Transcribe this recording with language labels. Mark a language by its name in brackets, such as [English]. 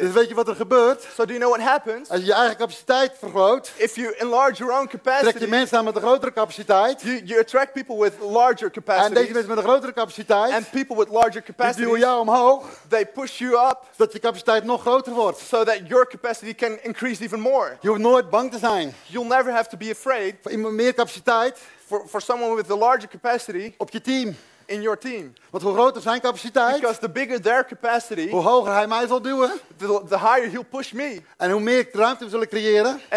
[Dutch] Dus weet je wat er gebeurt? [English] So do you know what happens? [Dutch] Als je eigen capaciteit vergroot. [English] If you enlarge your own capacity. [Dutch] Trek je mensen aan met een grotere capaciteit. [English] You attract people with larger capacities. [Dutch] En deze mensen met een grotere capaciteit. [English] And people with larger capacities. [Dutch] Die duwen jou omhoog. [English] They push you up. [Dutch] Zodat je capaciteit nog groter wordt. [English] So that your capacity can increase even more. [Dutch] Je hoeft nooit bang te zijn. [English] You'll never have to be afraid. [Dutch] Voor iemand meer capaciteit. [English] For someone with a larger capacity. [Dutch] Op je team. [English] In your team. [Dutch] Want hoe groter zijn capaciteit. [English] Because the bigger their capacity. [Dutch] Hoe hoger hij mij zal duwen. [English] The higher he'll push me. [Dutch] En hoe meer ruimte we zullen creëren.